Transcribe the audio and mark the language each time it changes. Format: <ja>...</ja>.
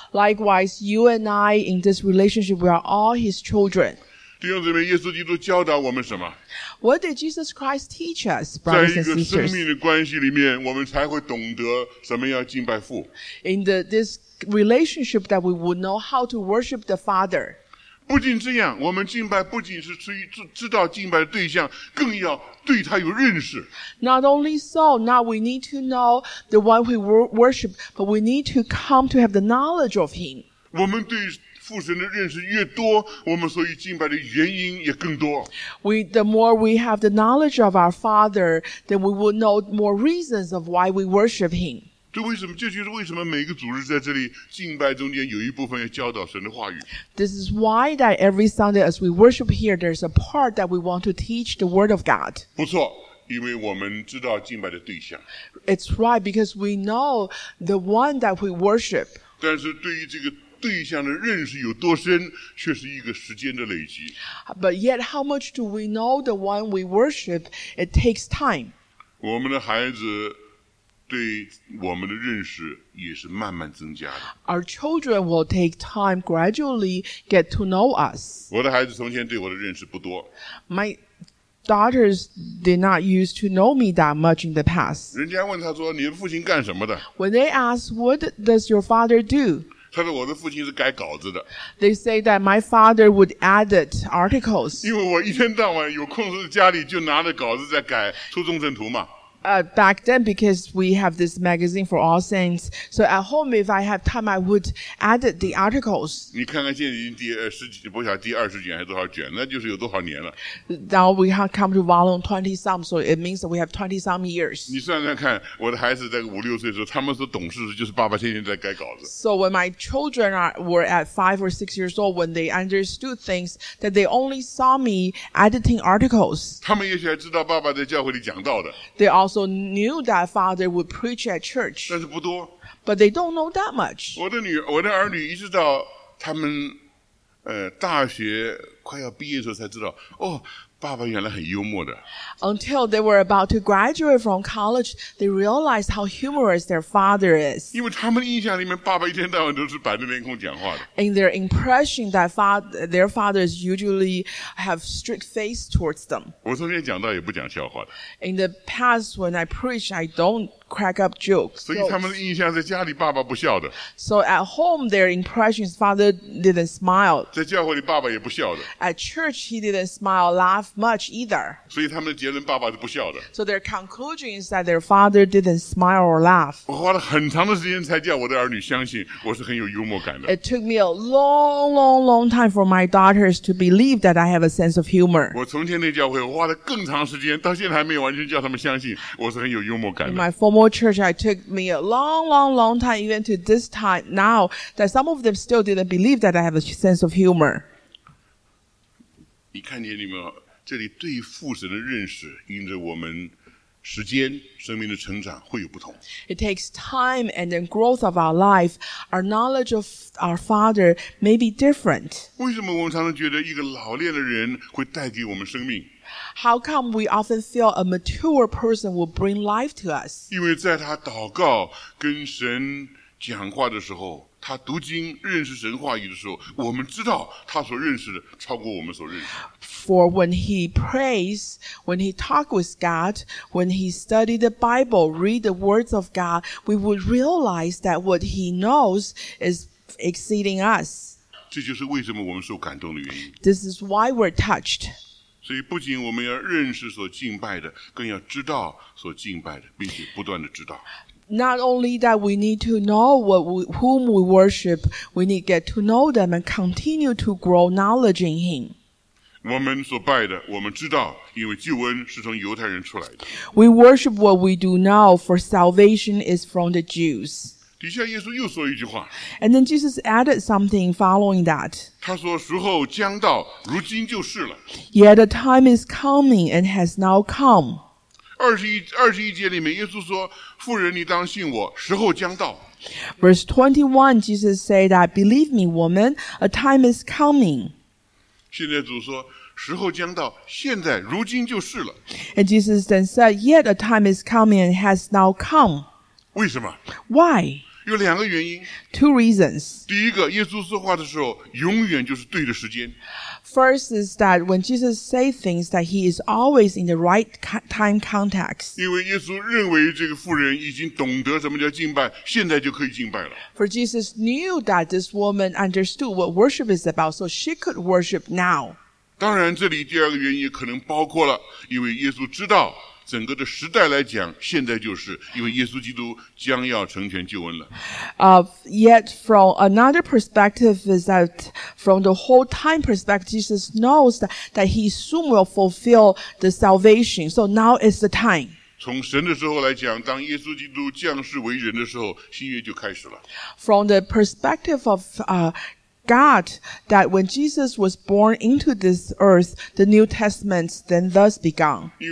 <en>Likewise, you and I in this relationship, we are all His children.</en> <zh>弟兄姊妹，耶稣基督教导我们什么？</zh> <en>What did Jesus Christ teach us, brothers and sisters?</en> <zh>在一个生命的关系里面，我们才会懂得什么要敬拜父。</zh> <en>In this relationship that we would know how to worship the Father.</en> <zh>不仅这样，我们敬拜不仅是知道敬拜的对象，更要对他有认识。</zh> <en>Not only so, now we need to know the one we worship, but we need to come to have the knowledge of him.</en> <zh>我们对父神的认识越多，我们所以敬拜的原因也更多。</zh> <en>The more we have the knowledge of our Father, then we will know more reasons of why we worship Him.</en> <zh>这为什么？这就是为什么每个组织在这里敬拜中间有一部分要教导神的话语。</zh> <en>This is why that every Sunday as we worship here, there's a part that we want to teach the Word of God.</en> <zh>不错，因为我们知道敬拜的对象。</zh> <en>It's right because we know the one that we worship.</en> <zh>但是对于这个对象的认识有多深，却是一个时间的累积。</zh> <en>But yet, how much do we know the one we worship? It takes time.</en> <zh>我们的孩子对我们的认识也是慢慢增加的。</zh> <en>Our children will take time gradually get to know us.</en> <zh>我的孩子从前对我的认识不多。</zh> <en>My daughters did not used to know me that much in the past.</en> <zh>人家问他说，你的父亲干什么的？</zh> <en>When they ask, what does your father do?</en> <zh>他说我的父亲是改稿子的。</zh> <en>They say that my father would edit articles.</en> <zh>因为我一天到晚有空在家里就拿着稿子在改初中生图嘛。</zh> <en>Back then, because we have this magazine for All Saints, so at home, if I have time, I would edit the articles.</en> <zh>你看看现在已经第十几，不晓得第二十卷还多少卷，那就是有多少年了。</zh> <en>Now we have come to volume 20-some, so it means that we have 20-some years.</en> <zh>你算算看，我的孩子在五六岁的时候，他们是懂事，就是爸爸天天在改稿子。</zh> <en>So when my children were at 5 or 6 years old, when they understood things, that they only saw me editing articles.</en> <zh>他们也许还知道爸爸在教会里讲道的。</zh> <en>They also knew that father would preach at church.</en> <zh>但是不多。</zh> <en>But they don't know that much.</en> <zh>我的儿女一直到他们大学快要毕业的时候才知道，哦，爸爸原来很幽默的。</zh> <en>Until they were about to graduate from college, they realized how humorous their father is.</en> <zh>因为他们印象里面，爸爸一天到晚都是板着脸孔讲话的。</zh> <en>In their impression that their fathers usually have strict face towards them.</en> <zh>我昨天讲到也不讲笑话的。</zh> <en>In the past, when I preach, I don't crack up jokes.</en> <zh>所以他们的印象在家里爸爸不笑的。</zh> <en>So at home, their impression is father didn't smile.</en> <zh>在教会里爸爸也不笑的。</zh> <en>At church, he didn't smile laughmuch either.</en> <zh>所以他们的结论，爸爸是不笑的。</zh> <en>So their conclusion is that their father didn't smile or laugh.</en> <zh>我花了很长的时间才叫我的儿女相信我是很有幽默感的。</zh> <en>It took me a long, long, long time for my daughters to believe that I have a sense of humor.</en> <zh>我从前的教会，我花了更长时间，到现在还没有完全叫他们相信我是很有幽默感的。</zh> <en>In my former church, it took me a long, long, long time, even to this time now, that some of them still didn't believe that I have a sense of humor.</en> <zh>你看见你们这里对父神的认识，因着我们时间、生命的成长会有不同。</zh> <en>It takes time and the growth of our life. Our knowledge of our Father may be different.</en> <zh>为什么我们常常觉得一个老练的人会带给我们生命？</zh> <en>How come we often feel a mature person will bring life to us?</en> <zh>因为在他祷告跟神讲话的时候。他读经认识神话语的时候，我们知道他所认识的超过我们所认识的。</zh> <en>For when he prays, when he talks with God, when he studies the Bible, read the words of God, we would realize that what he knows is exceeding us.</en> <zh>这就是为什么我们受感动的原因。</zh> <en>This is why we're touched.</en> <zh>所以不仅我们要认识所敬拜的，更要知道所敬拜的，并且不断的知道。</zh> <en>Not only that we need to know what we, whom we worship, we need to get to know them and continue to grow knowledge in him.</en> <zh>我们所拜的，我们知道，因为救恩是从犹太人出来的。</zh> <en>We worship what we do know, for salvation is from the Jews.</en> <zh>底下耶稣又说一句话。</zh> <en>And then Jesus added something following that.</en> <zh>他说时候将到，如今就是了。</zh> <en>Yet the time is coming and has now come.</en> <zh>21节里面耶稣说妇人你当信我时候将到</zh> <en>Verse 21 Jesus said that Believe me woman A time is coming</en> <zh>现在主说时候将到现在如今就是了</zh> <en>And Jesus then said Yet a time is coming and has now come</en> <zh>为什么</zh> <en>Why</en> <zh>有两个原因</zh> <en>Two reasons</en> <zh>第一个耶稣说话的时候永远就是对的时间</zh> <en>First is that when Jesus says things that he is always in the right time context.</en> <zh>因为耶稣认为这个妇人已经懂得什么叫敬拜，现在就可以敬拜了。</zh> <en>For Jesus knew that this woman understood what worship is about, so she could worship now.</en> <zh>当然这里第二个原因可能包括了，因为耶稣知道整个的时代来讲，现在就是因为耶稣基督将要成全救恩了。</zh> <en>Yet from another perspective is that from the whole time perspective, Jesus knows that he soon will fulfill the salvation. So now is the time.</en> <zh>从神的时候来讲，当耶稣基督降世为人的时候，新约就开始了。</zh> <en>From the perspective of God, that when Jesus was born into this earth, the New Testament then thus began.</en>